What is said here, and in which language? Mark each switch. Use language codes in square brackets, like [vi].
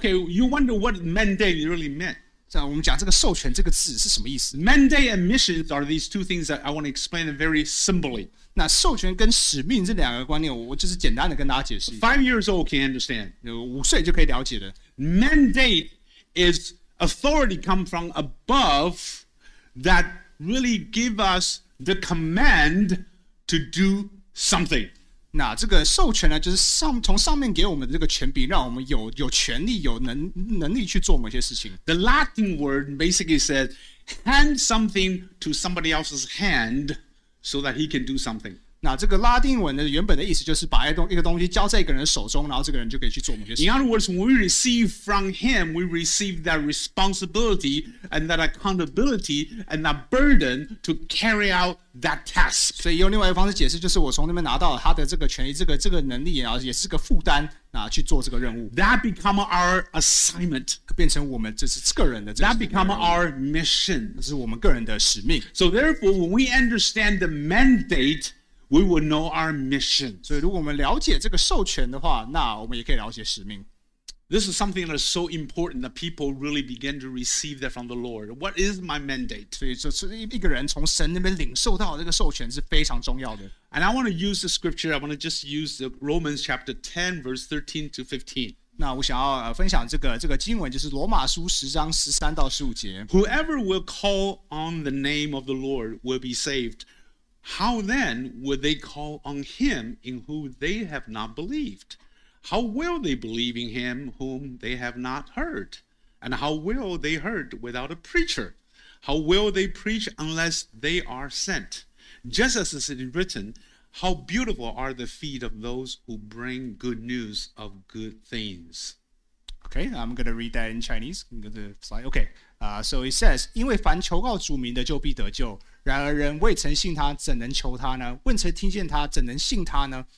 [en] Okay, you wonder what mandate really meant. [zh] 那我们讲这个授权这个字是什么意思 [en] ？Mandate and missions are these two things that I want to explain very simply. [zh] 那授权跟使命这两个观念，我就是简单的跟大家解释。 [en] 5 years old can understand. [zh] 5岁就可以了解的。 [en] Mandate is authority come from above that. Really give us the command to do something. [zh] 那这个授权呢，就是从上面给我们的这个权柄，让我们有权利、有能力去做某些事情。 [en] The Latin word basically says hand something to somebody else's hand so that he can do something. [zh] 那这个拉丁文的原本的意思就是把一个东西交在一个人手中，然后这个人就可以去做某些事情。 [en] In other words, when we receive from him, we receive that responsibility and that accountability and that burden to carry out that task. [zh] 所以用另外一个方式解释，就是我从那边拿到了他的这个权利、这个能力，然后也是个负担。去做这个任务。 [en] That become our assignment. [zh] 变成我们这个人的。 [en] That become our mission. [zh] 这是我们个人的使命。 [en] So therefore, when we understand the mandate, we will know our mission. [zh] 所以如果我们了解这个授权的话，那我们也可以了解使命。 [en] This is something that is so important that people really begin to receive that from the Lord. What is my mandate? [zh] 所以这是一个人从神那边领受到这个授权是非常重要的。 [en] And I want to use the scripture. I want to just use the Romans chapter 10, verse 13 to 15. [zh] 那我想要分享这个经文，就是罗马书10:13-15. [en] Whoever will call on the name of the Lord will be saved. How then will they call on him in whom they have not believed? How will they believe in him whom they have not heard? And how will they hear without a preacher? How will they preach unless they are sent? Just as it is written, how beautiful are the feet of those who bring good news of good things. Okay, I'm going to read that in Chinese. I'm going to slide. Okay, so it says, [zh] 因为凡求告主名的就必得救。然而人未曾信他，怎能求他呢？未曾听见他，怎能信他呢？